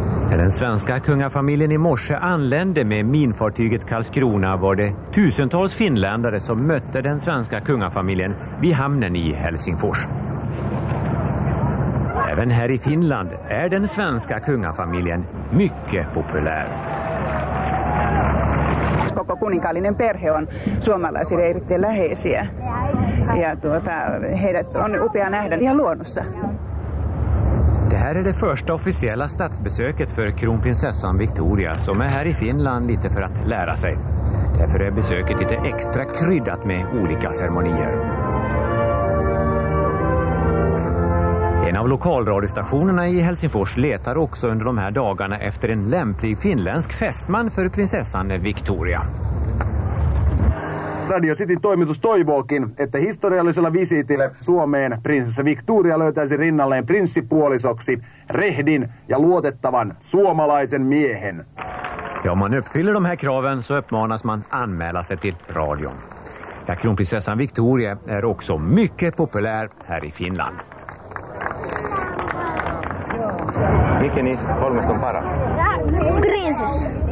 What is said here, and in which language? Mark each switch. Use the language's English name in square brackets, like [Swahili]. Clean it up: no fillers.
[Swedish] När den svenska kungafamiljen i morse anlände med minfartyget Karlskrona var det tusentals finländare som mötte den svenska kungafamiljen vid hamnen i Helsingfors. Även här i Finland är den svenska kungafamiljen mycket populär. [Finnish] Koko kuninkaallinen perhe on suomalaisille erittäin läheisiä. Ja heidät on upea nähdä ihan luonnossa. [Swedish] Det här är det första officiella statsbesöket för kronprinsessan Victoria som är här i Finland lite för att lära sig. Därför är besöket lite extra kryddat med olika ceremonier. En av lokalradiostationerna i Helsingfors letar också under de här dagarna efter en lämplig finländsk fästman för prinsessan Victoria. [Finnish] Radio Cityn toimitus toivookin, että historiallisella visiitille Suomeen prinsessa Victoria löytäisi rinnalleen prinssipuolisoksi rehdin ja luotettavan suomalaisen miehen. [Swedish] Ja, om man uppfyller de här kraven så uppmanas man anmäla sig till radion. Ja, kronprinsessan Victoria är också mycket populär här i Finland. Vilken är [Finnish] kolmeston paras? Prinsessa.